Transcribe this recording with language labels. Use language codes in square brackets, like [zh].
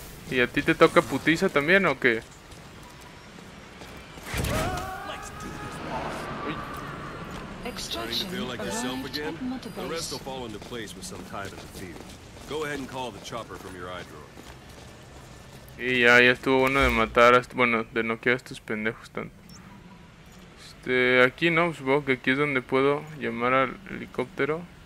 [es] ¿Y a ti te toca putiza también o qué? [en] Starting to feel like yourself again? The rest will fall into place with some time in the field. Go ahead and call the chopper from your iDroid. [es] Y ya, ya estuvo bueno de matar a estos, bueno, de noquear a estos pendejos tanto. Aquí no, supongo que aquí es donde puedo llamar al helicóptero.